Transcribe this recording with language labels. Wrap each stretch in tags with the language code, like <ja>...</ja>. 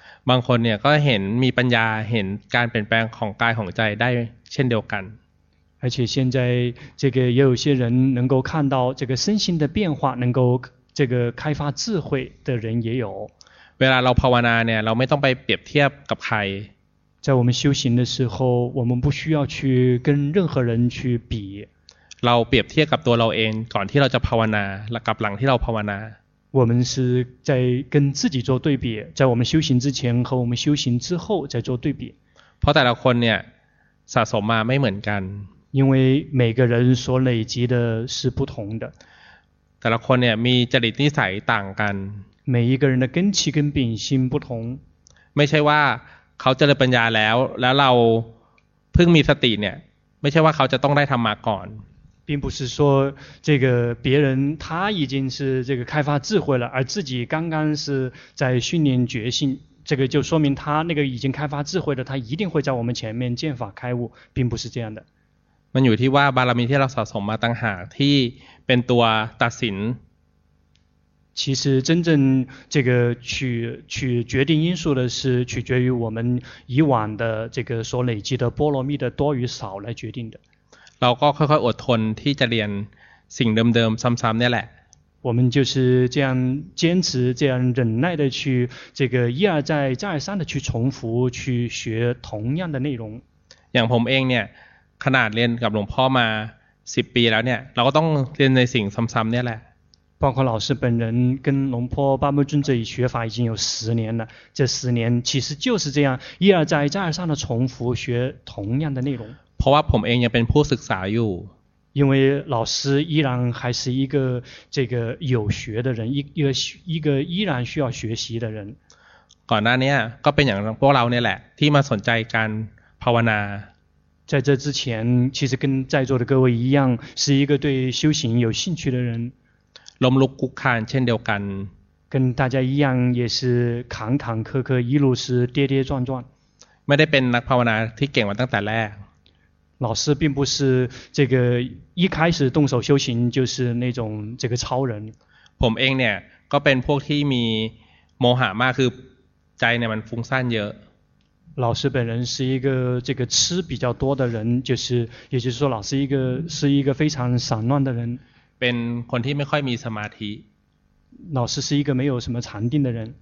<th>บางคนเนี่ยก็เห็นมีปัญญาเห็นการเปลี่ยนแปลงของกายของใจได้เช่นเดียวกัน</th> <zh>而且现在这个也有些人能够看到这个身心的变化能够这个开发智慧的人也有</zh> <th>เวลาเราภาวนาเนี่ยเราไม่ต้องไปเปรียบเทียบกับใคร</th> <zh>在我们修行的时候我们不需要去跟任何人去比</zh> <th>เราเปรียบเทียบกับตัวเราเองก่อนที่เราจะภาวนาและกับหลังที่เราภาวนา</th> <zh>我们是在跟自己做对比在我们修行之前和我们修行之后再做对比</zh> <th>เพราะแต่ละคนเนี่ยสะสมมาไม่เหมือนกัน</th> <zh>因为每个人所累积的是不同的</zh> <th>แต่ละคนเนี่ยมีจริตนิสัยต่างกัน</th> <zh>每一个人的根气跟秉性不同</zh> <th>ไม่ใช่ว่าเขาเจริญปัญญาแล้วเราเพิ่งมีสติเนี่ยไม่ใช่ว่าเขาจะต้องได้ธรรมะก่อน</th> <zh>并不是说这个别人他已经是这个开发智慧了而自己刚刚是在训练觉性这个就说明他那个已经开发智慧了他一定会在我们前面见法开悟并不是这样的</zh> <th>มันอยู่ที่ว่าบารมีที่เราสะสมมาตั้งหากที่เป็นตัวตัดสิน</th> <zh>其实真正这个取决定因素的是取决于我们以往的这个所累积的波罗蜜的多与少来决定的</zh> <th>เราก็ค่อยๆอดทนที่จะเรียนสิ่งเดิมๆซ้ำๆเนี่ยแหละ</th> <zh>我们就是这样坚持这样忍耐的去这个一而再再三的去重复去学同样的内容</zh> <th>อย่างผมเองเนี่ยขนาดเรียนกับหลวงพ่อมา10ปีแล้วเนี่ยเราก็ต้องเรียนในสิ่งซ้ำๆเนี่ยแหละ</th> <zh>包括老师本人跟龙坡八木尊者已学法已经有十年了，这十年其实就是这样一而再再而三的重复学同样的内容。</zh> <th>เพราะว่าผมเองยังเป็นผู้ศึกษาอยู่。</th> <zh>因为老师依然还是一个这个有学的人，一个依然需要学习的人。</zh> <th>ก่อนหน้านี้ก็เป็นอย่างพวกเราเนี่ยแหละที่มาสนใจการภาวนา。</th> <zh>在这之前，其实跟在座的各位一样，是一个对修行有兴趣的人。</zh> <th>ล้มลุกคลุกคลานเช่นเดียวกัน</th> <zh>跟大家一样也是坎坎坷坷一路是跌跌撞撞</zh> <th>ไม่ได้เป็นนักภาวนาที่เก่งมาตั้งแต่แรก</th> <zh>老师并不是这个一开始动手修行就是那种这个超人</zh> <th>ผมเองเนี่ยก็เป็นพวกที่มีโมหะมากคือใจเนี่ยมันฟุ้งซ่านเยอะ</th> <zh>老师本人是一个这个吃比较多的人就是也就是说老师是一个非常散乱的人</zh> <th>เป็นคนที่ไม่ค่อยมีสมาธิ</th> <zh>老师是一个没有什么禅定的人</zh>